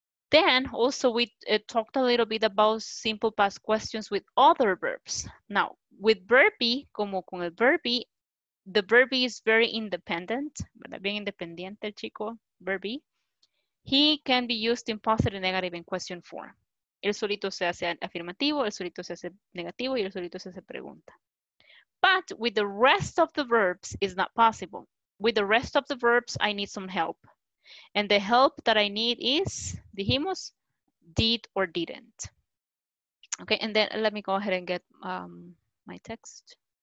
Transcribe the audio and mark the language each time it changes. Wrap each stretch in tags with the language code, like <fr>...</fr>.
<en>Then also we talked a little bit about simple past questions with other verbs. Now, with verb be,</en> <es>como con el</es> <en>verb be, the verb be is very independent,</en> <es>bien independiente, chico,</es> <en>verb be. He can be used in positive, negative, and question form.</en> <es>El solito se hace afirmativo, el solito se hace negativo, y el solito se hace pregunta.</es> <en>But with the rest of the verbs, it's not possible. With the rest of the verbs, I need some help. And the help that I need is,</en> <es>dijimos,</es> <en>did or didn't. Okay, and then let me go ahead and get my text.</en>